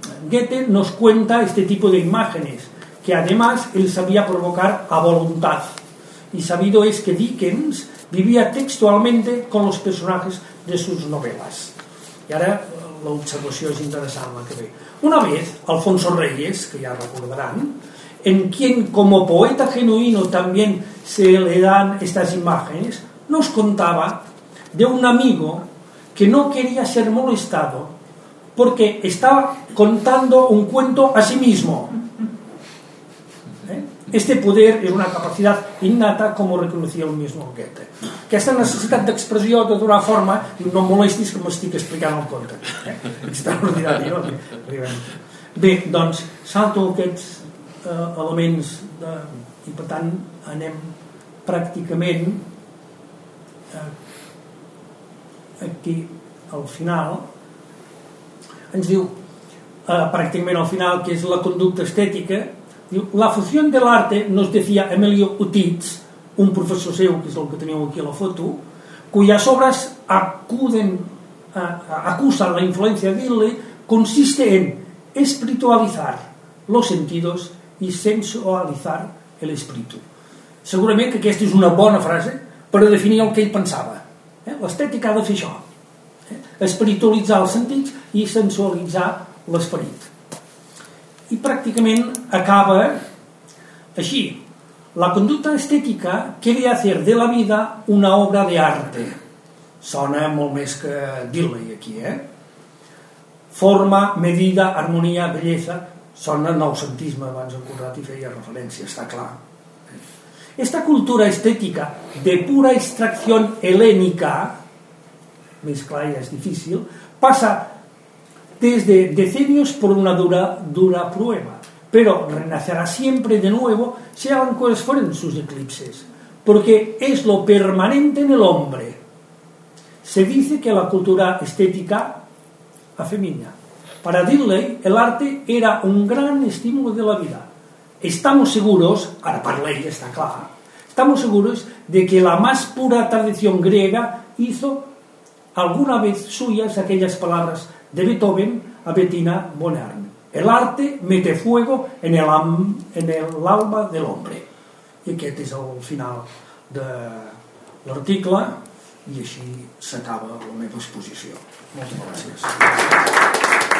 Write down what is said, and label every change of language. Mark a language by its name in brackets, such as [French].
[Spanish] Goethe nos cuenta este tipo de imágenes, que además él sabía provocar a voluntad. Y sabido es que Dickens vivía textualmente con los personajes de sus novelas. [Catalan] I ara l'observació és interessant, la que ve. [Spanish] Una vez, Alfonso Reyes, [Catalan] que ja recordaran, [Spanish] en quien como poeta genuino también se le dan estas imágenes, nos contaba de un amigo que no quería ser molestado porque estaba contando un cuento a sí mismo. Este poder es una capacidad innata, como reconocía el mismo Goethe. [Catalan] Aquesta necessitat d'expressió de donar forma, no em molestis que m'estic explicant el conte. Extraordinari, no? Bé, doncs, salto aquests elements de... i per tant anem pràcticament aquí al final. Ens diu pràcticament al final, que és la conducta estètica. [Spanish] La funció de l'arte, nos decía Emilio Utitz, [Catalan] un professor seu, que és el que teniu aquí a la foto, [Spanish] cuyas obras acusan la influencia de Dilley, consiste en espiritualizar los sentidos y sensualizar el espíritu. [Catalan] Segurament que aquesta és una bona frase per definir el que ell pensava. L'estètica ha de fer això. Espiritualitzar els sentits i sensualitzar l'esperit. I pràcticament acaba així. [Spanish] La conducta estètica quiere hacer de la vida una obra de arte. [Catalan] Sona molt més que Dilley aquí, eh? Forma, medida, harmonia, belleza, sona noucentisme, abans en Conrad hi feia referència, està clar. Esta cultura estètica de pura extracció helènica, més clar ja és difícil, passa des de decenios per una dura, dura prueba, però renacerà sempre de nuevo, sean quals foren sus eclipses, perquè és lo permanente en el hombre. [Spanish] Se dice que la cultura estètica afemina. Para Dilley, el arte era un gran estímulo de la vida. Estamos seguros, [Catalan] ara parlei, està clar, [Spanish] estamos seguros de que la más pura tradición griega hizo alguna vez suyas aquellas palabras de Beethoven a Bettina von Arn. El arte mete fuego en el, en el alma del hombre. [Catalan] I aquest és el final de l'article i així s'acaba la meva exposició. Moltes gràcies.